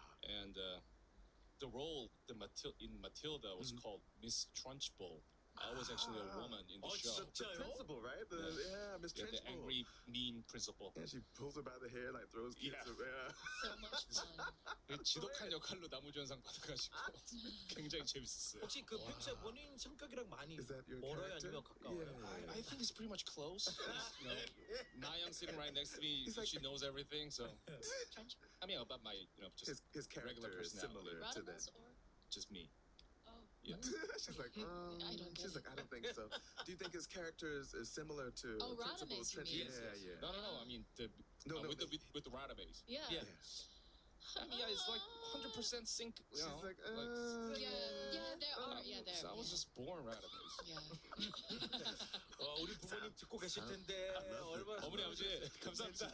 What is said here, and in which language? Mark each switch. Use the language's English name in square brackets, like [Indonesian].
[English] And the role in Matilda was called Miss Trunchbull. I was actually a woman in the show. the principal, right? Miss Trunchbull. The angry, mean principal. And she pulls her by the hair, like throws kids around. So much fun. [Korean] 지독한 역할로 나무주연상 받아가지고 굉장히 재밌었어요. 혹시 그 백제 본인 성격이랑 많이 멀어요 아니면 가까워요? [English] I think it's pretty much close. Na-young sitting right next to me, she knows everything, so. I mean, about my, you know, just his character regular personality. Is similar to that. Just me. Oh. Yeah. She's like, I don't think so. Do you think his character is similar to Rodimus? No. I mean, with the Rodimus. Yeah. Yes. Yeah, it's like 100% sync. You know? Like, like, yeah, there are. So I was just born out of this. Yeah. [Korean] 우리 부모님 듣고 계실 텐데 얼마나 어머니 아버지 감사합니다.